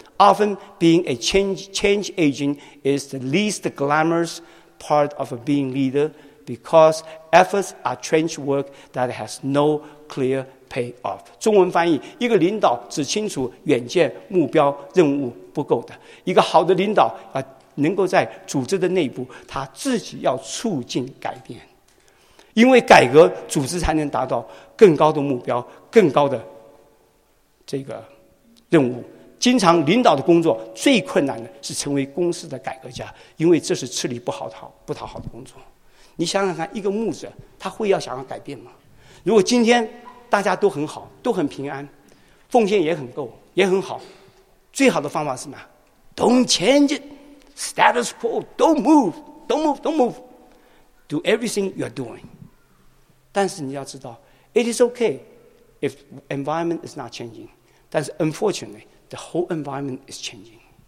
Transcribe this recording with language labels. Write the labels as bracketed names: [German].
[English] Often being a change agent is the least glamorous part of being leader because efforts are trench work that has no clear payoff. [Chinese] 中文翻译，一个领导只清楚远见、目标、任务不够的。一个好的领导能够在组织的内部，他自己要促进改变。因为改革组织才能达到更高的目标，更高的这个任务。经常领导的工作最困难的是成为公司的改革家，因为这是吃力不讨好不讨好的工作。你想想看，一个牧者他会要想要改变吗？如果今天大家都很好，都很平安，奉献也很够也很好，最好的方法是什么？ [English] Don't change it, status quo, don't move, do everything you're doing. [Chinese] 但是 [English] 你要知道， it is okay if environment is not changing, 但是 unfortunately, the whole environment is changing.